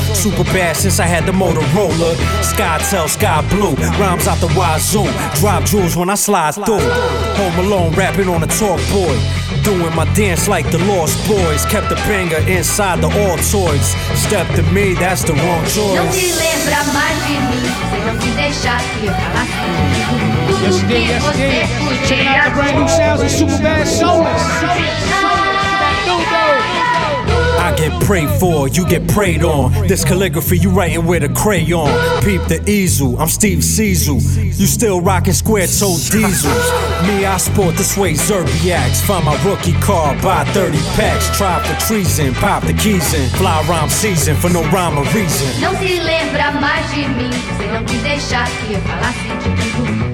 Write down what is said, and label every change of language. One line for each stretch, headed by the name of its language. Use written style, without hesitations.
English: Super bad since I had the Motorola. Skytel, sky blue. Rhymes out the wazoo. Drop jewels when I slide through. Home alone, rapping on a talk boy. Doing my dance like the Lost Boys. Kept the banger inside the all toys. Step to me, that's the wrong choice.
Portuguese: Não te lembra mais de mim, se não me deixar que eu faço.
English: Yes, you did, yes, you did. Checking out the brand new sounds of Super Bad Solos. I get prayed for, you get preyed on. This calligraphy you writing with a crayon. Peep the easel, I'm Steve Caesar. You still rocking square toed diesels. Me, I sport the suede Zerbiacs. Find my rookie car, buy 30 packs. Try for treason, pop the keys in. Fly rhyme season for no rhyme or reason.
Portuguese: Não se lembra mais de mim, se não me deixasse eu falasse de tudo.